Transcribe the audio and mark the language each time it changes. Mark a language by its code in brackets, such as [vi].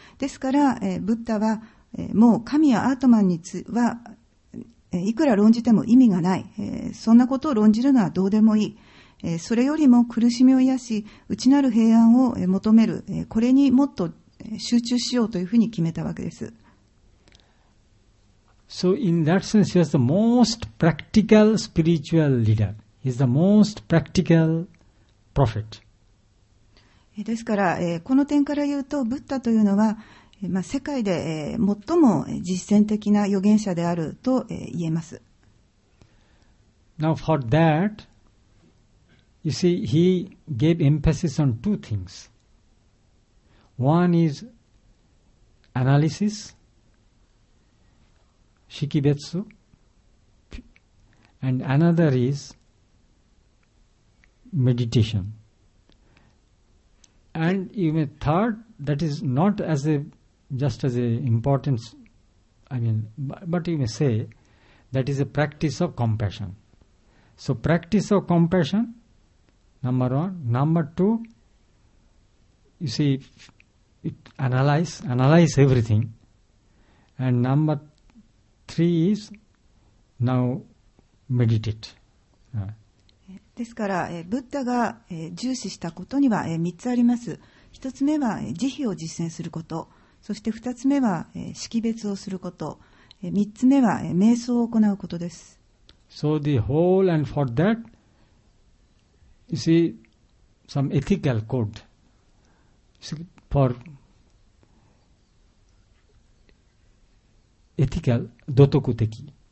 [ja] ですから、ブッダは、もう神やアートマンについてはいくら論じても意味がない、そんなことを論じるのはどうでもいい、それよりも苦しみを癒し内なる平安を求める、これにもっと集中しようというふうに決めたわけです。 [en] So in that sense he is the most practical spiritual leader. He is the most practical prophet. [ja] ですから、この点から言うとブッダというのは世界で最も実践的な預言者であると言えます。 [en] Now for that, you see, he gave emphasis on two things. One is analysis, shikibetsu, and another is meditation. And you may third, that is not as a just as a importance, I mean, but you may say that is a practice of compassion. So practice of compassion, number one. Number two, you see, it analyze everything. And number three is now meditate. [ja] ですから、ブッダが重視したことには3つあります。 1つ目は慈悲を実践すること、そして2つ目は識別をすること、3つ目は瞑想を行うことです。 [en] So the whole and for that you see some ethical code for ethical dotokuteki.